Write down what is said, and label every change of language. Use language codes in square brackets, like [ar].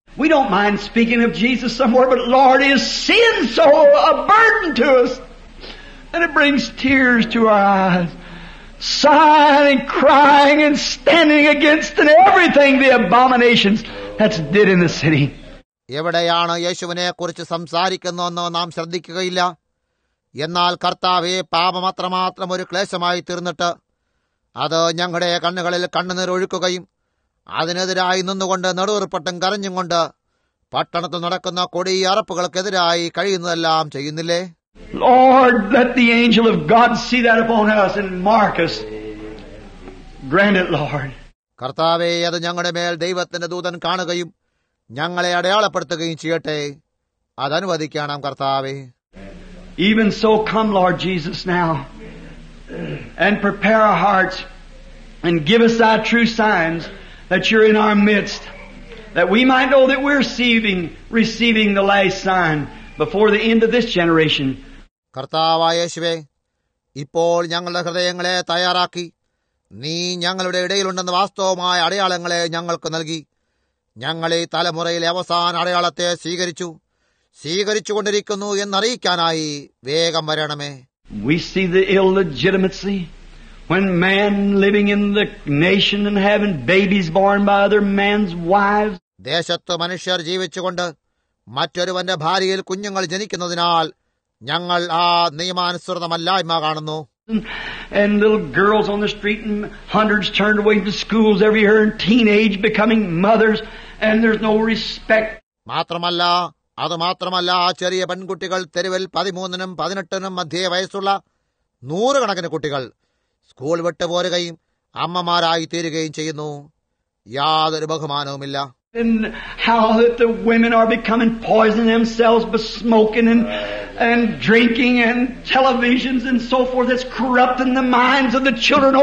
[en] We don't mind speaking of Jesus somewhere, but Lord, is sin so a burden to us that it brings tears to our eyes? Sighing and crying and standing against and everything, the abominations that's did in the city. [ml] എവിടെയാണ് യേശുവിനെ കുറിച്ച് സംസാരിക്കുന്നതെന്ന് നാം ശ്രദ്ധിക്കുകയില്ല. എന്നാൽ കർത്താവേ, പാപം അത്രമാത്രം ഒരു ക്ലേശമായി തീർന്നിട്ട് അത് ഞങ്ങളുടെ കണ്ണുകളിൽ കണ്ണുനീർ ഒഴുക്കുകയും അതിനെതിരായി നിന്നുകൊണ്ട് നെടുവീർപ്പട്ടം കരഞ്ഞും കൊണ്ട് പട്ടണത്തിൽ നടക്കുന്ന കൊടിയ അറപ്പുകൾക്കെതിരായി കഴിയുന്നതെല്ലാം ചെയ്യുന്നില്ലേ? [en] Lord, let the angel of God see that upon us and mark us. Grant it, Lord. [ml] കർത്താവേ, അത് ഞങ്ങളുടെ മേൽ ദൈവത്തിന്റെ ദൂതൻ കാണുകയും ഞങ്ങളെ അടയാളപ്പെടുത്തുകയും ചെയ്യട്ടെ. അത് അനുവദിക്കണം കർത്താവേ. [en] Even so, come, Lord Jesus, now, and prepare our hearts and give us thy true signs that you're in our midst, that we might know that we're receiving the last sign before the end of this generation. [ml] കർത്താവായ യേശുവേ, ഇപ്പോൾ ഞങ്ങളുടെ ഹൃദയങ്ങളെ തയ്യാറാക്കി നീ ഞങ്ങളുടെ ഇടയിലുണ്ടെന്ന വാസ്തവമായ അടയാളങ്ങളെ ഞങ്ങൾക്ക് നൽകി. ഞങ്ങളെ തലമുറയിലെ അവസാന അടയാളത്തെ സ്വീകരിച്ചുകൊണ്ടിരിക്കുന്നു എന്നറിയിക്കാനായി വേഗം വരണമേ. [en] We see the illegitimacy when man living in the nation and having babies born by other man's wives. [ml] ദേശത്തെ മനുഷ്യർ ജീവിച്ചുകൊണ്ട് മറ്റൊരുവന്റെ ഭാര്യയിൽ കുഞ്ഞുങ്ങൾ ജനിക്കുന്നതിനാൽ ഞങ്ങൾ ആ നിയമാനുസൃതമല്ലായ്മ കാണുന്നു. [en] And little girls on the street and hundreds turned away from schools every year and teenage becoming mothers and there's no respect. [ml] മാത്രമല്ല, അതുമാത്രമല്ല, ആ ചെറിയ പെൺകുട്ടികൾ തെരുവിൽ 13-നും 18-നും മധ്യേ വയസ്സുള്ള നൂറുകണക്കിന് കുട്ടികൾ സ്കൂൾ വിട്ടുപോരുകയും അമ്മമാരായി തീരുകയും ചെയ്യുന്നു. യാതൊരു ബഹുമാനവുമില്ല. [en] And how that the women are becoming poison themselves by smoking and drinking and televisions and so forth that's corrupting the minds of the children.